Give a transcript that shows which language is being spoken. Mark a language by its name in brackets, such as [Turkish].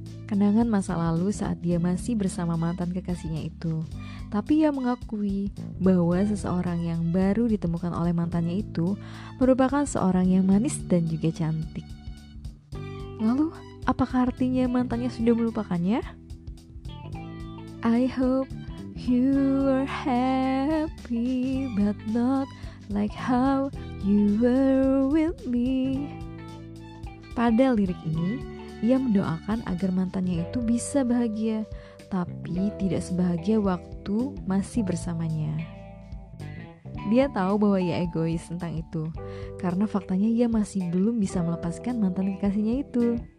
[Indonesian] Kenangan masa lalu saat dia masih bersama mantan kekasihnya itu. Tapi ia mengakui bahwa seseorang yang baru ditemukan oleh mantannya itu merupakan seorang yang manis dan juga cantik. Lalu, apakah artinya mantannya sudah melupakannya? [English] I hope you are happy but not like how you were with me. [Indonesian] Pada lirik ini, ia mendoakan agar mantannya itu bisa bahagia, tapi tidak sebahagia waktu masih bersamanya. Dia tahu bahwa ia egois tentang itu, karena faktanya ia masih belum bisa melepaskan mantan kekasihnya itu.